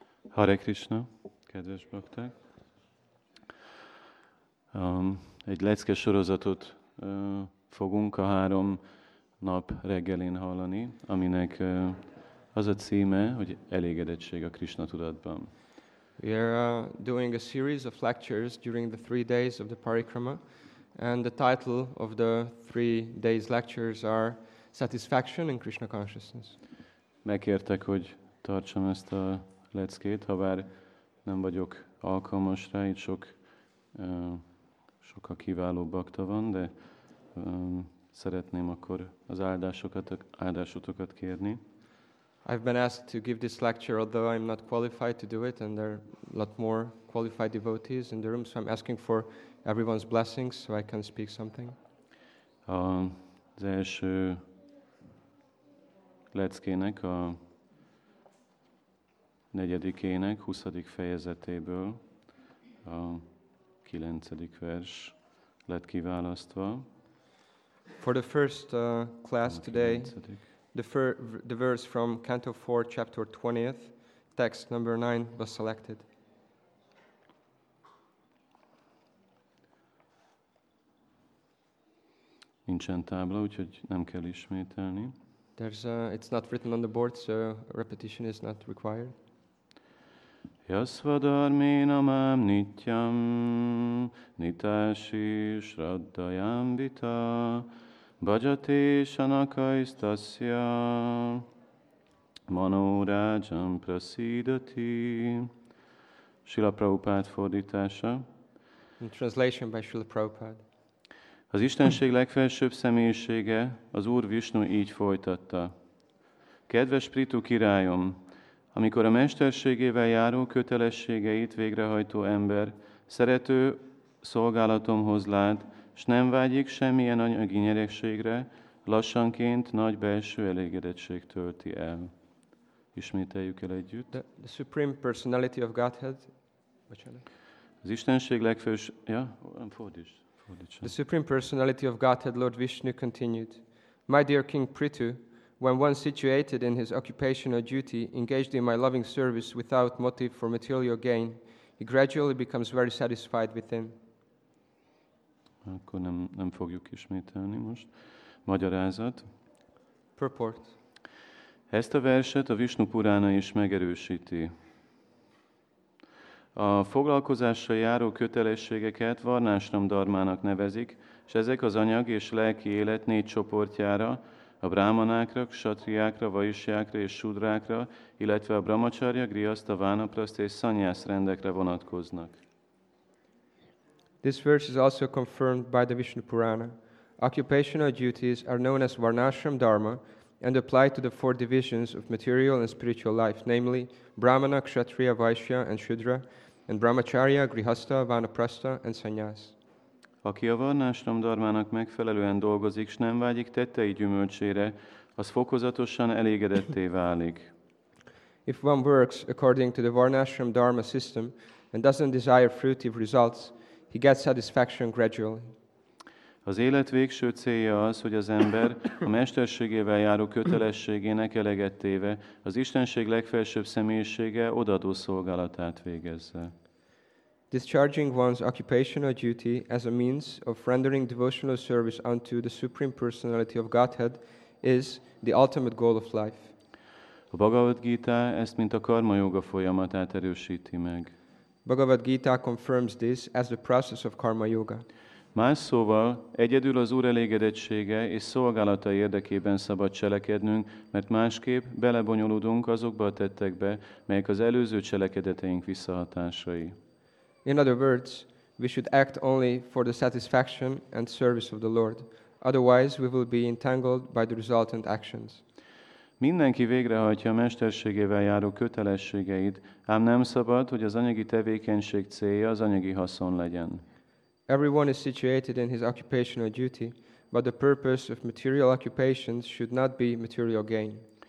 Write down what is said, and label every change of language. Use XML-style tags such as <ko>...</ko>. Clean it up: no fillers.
<hu>Hare Krishna, kedves bakták! Egy lecke sorozatot fogunk a három nap reggelén hallani, aminek az a címe, hogy elégedettség a Krishna tudatban.</hu> <en>We are doing a series of lectures during the 3 days of the parikrama, and the title of the 3 days lectures are Satisfaction in Krishna Consciousness.</en> <hu>Megkértek, hogy tartsam ezt a leckét, ha bár nem vagyok alkalmas rá, itt sokkal kiváló bakta van, de szeretném akkor az áldásotokat kérni.</hu> <en>I've been asked to give this lecture, although I'm not qualified to do it, and there are a lot more qualified devotees in the room, so I'm asking for everyone's blessings, so I can speak something.</en> <hu>Az első leckének a negyedikének, 20. fejezetéből a 9. vers lett kiválasztva.</hu> <en>For the first class today, the verse from Canto 4, chapter 20th, text number 9 was selected.</en> <hu>Nincsen tábla, úgyhogy nem kell ismételni.</hu> <en>It's not written on the board, so repetition is not required.</en> <sa>Yasvadharmena mam nityam nitashi shraddayam vita bhajate sanakaistasya manorajam prasidati.</sa> <hu>Srila Prabhupada fordítása.</hu> <en>In translation by Srila Prabhupada.</en> <hu>Az Istenség legfelsőbb személyisége, az Úr Vishnu így folytatta. Kedves Pritu királyom, amikor a mesterségével járó kötelességeit végrehajtó ember szerető szolgálatomhoz lát, s nem vágyik semmilyen anyagi nyerességre, lassanként nagy belső elégedettség tölti el. Ismételjük el együtt.</hu> <en>The Supreme Personality of Godhead.</en> <hu>Bocsánat. Az Istenség legfelsőbb... Ja, fordíts.</hu> <en>The Supreme Personality of Godhead, Lord Vishnu, continued. My dear King Prithu, when one situated in his occupational duty, engaged in my loving service without motive for material gain, he gradually becomes very satisfied within.</en> <hu>Akkor nem fogjuk ismételni most. Magyarázat.</hu> <en>Purport.</en> <hu>Ezt a verset a Vishnu Purana is megerősíti. A foglalkozással járó kötelességeket Varnásram Dharmának nevezik, és ezek az anyag és lelki élet 4 csoportjára, a brámanákra, ksatriákra, vaisjákra és sudrákra, illetve a brahmacharya, grihasta, vánapraszt és szanyász rendekre vonatkoznak.</hu> <en>This verse is also confirmed by the Vishnu Purana. Occupational duties are known as Varnashram Dharma and apply to the 4 divisions of material and spiritual life, namely brahmana, ksatriya, vaisya and shudra, and brahmacharya, grihasta, vanaprastha and sanyas.</en> <hu>Aki a Varnashram Dharmának megfelelően dolgozik, s nem vágyik tettei gyümölcsére, az fokozatosan elégedetté válik.</hu> <en>If one works according to the Varnashram Dharma system and doesn't desire fruitive results, he gets satisfaction gradually.</en> <hu>Az élet végső célja az, hogy az ember a mesterségével járó kötelességének elegettéve az Istenség legfelsőbb személyisége odaadó szolgálatát végezze.</hu> <en>Discharging one's occupational duty as a means of rendering devotional service unto the Supreme Personality of Godhead is the ultimate goal of life.</en> <hu>A Bhagavad Gita ezt, mint a karma yoga folyamatát erősíti meg.</hu> <en>Bhagavad Gita confirms this as the process of karma yoga.</en> <hu>Más szóval, egyedül az Úr elégedettsége és szolgálata érdekében szabad cselekednünk, mert másképp belebonyolódunk azokba a tettekbe, melyek az előző cselekedeteink visszahatásai.</hu> <en>In other words, we should act only for the satisfaction and service of the Lord. Otherwise, we will be entangled by the resultant actions.</en> <hu>Mindenki végrehajtja a mesterségével járó kötelességeit, ám nem szabad, hogy az anyagi tevékenység célja az anyagi haszon legyen.</hu> <en>Everyone is situated in his occupational duty, but the purpose of material occupations should not be material gain.</en>